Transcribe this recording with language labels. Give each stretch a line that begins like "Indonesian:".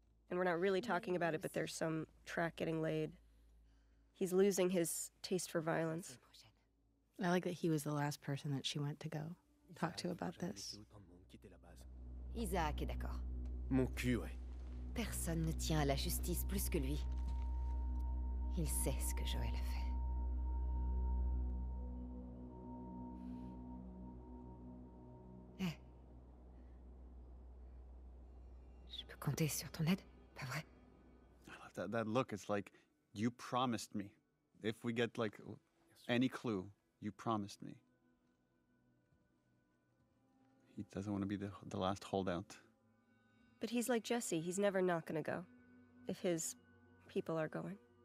English: And we're not really talking about it, but there's some track getting laid. He's losing his taste for violence. I like that he was the last person that she went to go talk to about this.
French: Isaac est d'accord. Mon cul, ouais. Personne ne tient à la justice plus que lui. Il sait ce que Joël a fait.
English: Hey.
French: Je peux compter sur ton aide, pas vrai?
English: I love that look, it's like, you promised me. If we get, like, any clue, you promised me. He doesn't want to be the last holdout. But he's like Jesse. He's never not going to go if his people are going.